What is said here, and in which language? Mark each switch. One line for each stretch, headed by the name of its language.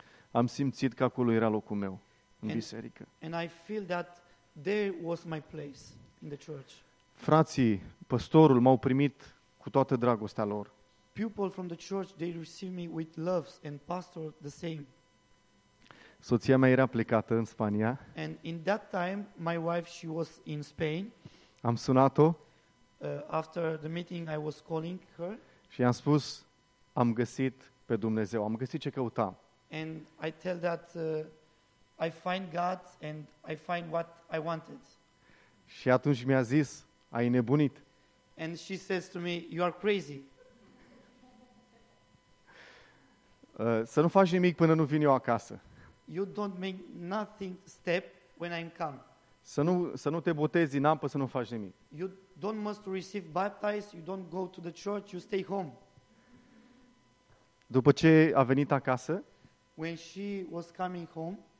Romanian: Am simțit că acolo era locul meu, în biserică.
English: And I feel that there was my place in the church.
Romanian: Frații, pastorul m-au primit cu toată dragostea lor.
English: People from the church, they received me with love, and pastor the same.
Romanian: Soția mea era plecată în Spania.
English: And in that time, my wife, she was in Spain.
Romanian: Am sunat-o.
English: After the meeting, I was calling her.
Romanian: Și i-am spus, am găsit pe Dumnezeu, am găsit ce căutam.
English: And I tell that I find God and I find what I wanted.
Romanian: Și atunci mi-a zis, ai nebunit.
English: And she says to me, you are crazy.
Romanian: Să nu faci nimic până nu vin eu acasă.
English: You don't make nothing step when I'm come.
Romanian: Să nu te botezi în apă, să nu faci nimic.
English: You don't must receive baptized, you don't go to the church, you stay home.
Romanian: După ce a venit acasă,
English: when she was coming home,